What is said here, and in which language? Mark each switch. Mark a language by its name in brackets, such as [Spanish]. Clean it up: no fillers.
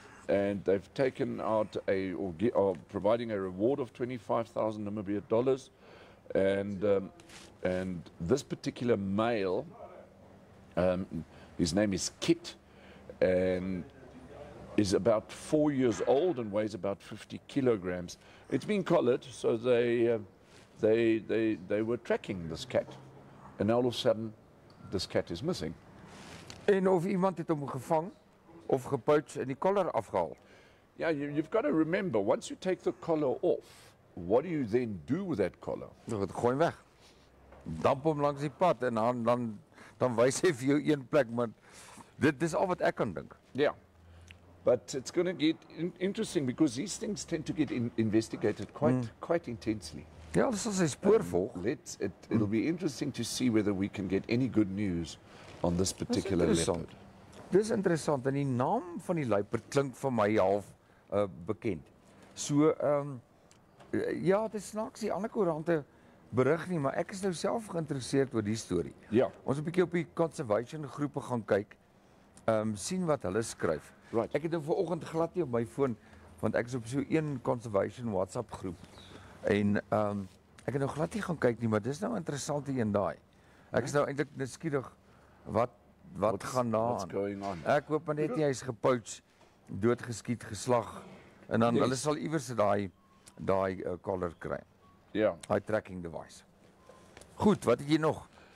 [English] And they've taken out providing a reward of 25,000 Namibia dollars, and this particular male, his name is Kit, and is about 4 years old and weighs about 50 kilograms. It's been collared, so they were tracking this cat, and all of a sudden, this cat is missing. [Afrikaans] En of iemand het hom gevang? Of gepouch in die collar afgehaal. [English] Yeah, you've got to remember, once you take the collar off, what do you then do with that collar? [Afrikaans] Gooi hem weg. Damp hem langs die pad en dan wys hy vir jou een plek, maar dit is al wat ek kan dink. [English] Yeah, but it's going to get interesting because these things tend to get investigated quite intensely. [Afrikaans] Ja, dis al sy spoor volg. [English] It'll be interesting to see whether we can get any good news on this particular leopard. [Afrikaans] Dis interessant, en die naam van die leopard klink van my half bekend. So, ja, dit snaaks die ander koerante berig nie, maar ek is nou self geïnteresseerd oor die storie. Ja. Ons het 'n bietjie op die conservation groepe gaan kyk, sien wat hulle skryf. [English] Right. [Afrikaans] Ek het nou vanoggend glad nie op my foon, want ek is op so een conservation WhatsApp groep, en ek het nou glad nie gaan kyk nie, maar dis nou interessant die een daai. Ek is nou eintlik nuuskierig wat gaan na [English] aan. What's going on? [Afrikaans] Ek hoop maar net nie hy's gepouch, doodgeskiet, geslag en dan hulle sal iewers daai collar kry. Ja. Daai tracking device. Goed, wat het jy nog?